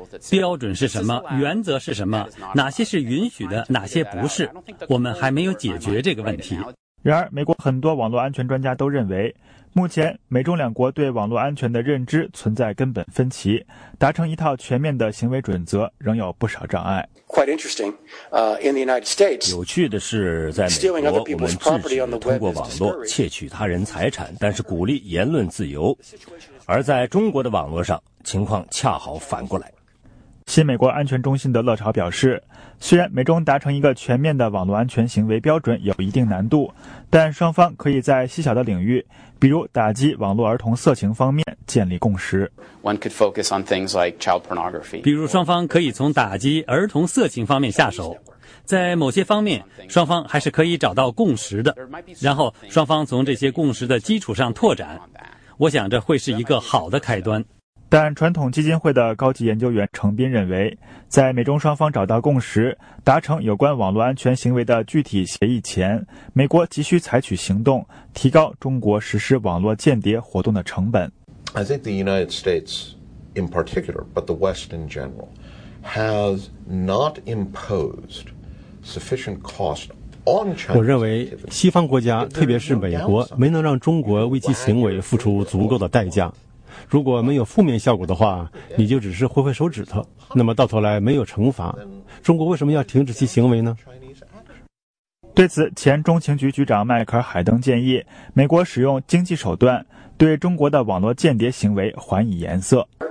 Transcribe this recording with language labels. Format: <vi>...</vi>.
<zh>标准是什么？原则是什么？哪些是允许的？哪些不是？我们还没有解决这个问题。然而，美国很多网络安全专家都认为，目前美中两国对网络安全的认知存在根本分歧，达成一套全面的行为准则仍有不少障碍。</zh> <en>Quite interesting, in the United States,</en> <zh>有趣的是，在美国，我们制止通过网络窃取他人财产，但是鼓励言论自由；而在中国的网络上，情况恰好反过来。新美国安全中心的乐潮表示，虽然美中达成一个全面的网络安全行为标准有一定难度，但双方可以在细小的领域，比如打击网络儿童色情方面建立共识。</zh> <en>One could focus on things like child pornography.</en> <zh>比如双方可以从打击儿童色情方面下手，在某些方面双方还是可以找到共识的，然后双方从这些共识的基础上拓展，我想这会是一个好的开端。但传统基金会的高级研究员程斌认为，在美中双方找到共识，达成有关网络安全行为的具体协议前，美国急需采取行动，提高中国实施网络间谍活动的成本。</zh> <en>I think the United States in particular, but the West in general, has not imposed sufficient cost.</en> <zh>我认为西方国家特别是美国没能让中国为其行为付出足够的代价，如果没有负面效果的话，你就只是挥挥手指头，那么到头来没有惩罚，中国为什么要停止其行为呢？对此，前中情局局长迈克尔·海登建议美国使用经济手段对中国的网络间谍行为还以颜色。</zh>